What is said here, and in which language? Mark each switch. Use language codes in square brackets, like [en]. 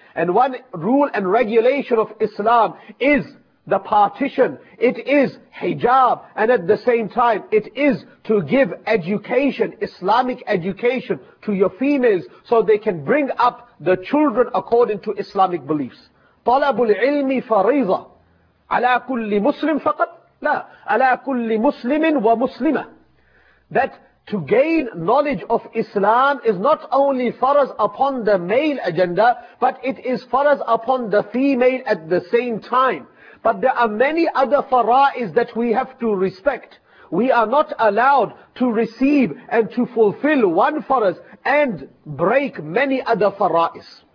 [en] And one rule and regulation of Islam is the partition. It is hijab. And at the same time, it is to give education, Islamic education, to your females so they can bring up the children according to Islamic beliefs. [ar] طلب العلم فريضة على كل مسلم فقط لا على كل مسلم ومسلمة. [en] That to gain knowledge of Islam is not only faraz upon the male agenda, but it is faraz upon the female at the same time. But there are many other fara'is that we have to respect. We are not allowed to receive and to fulfill one faraz and break many other fara'is.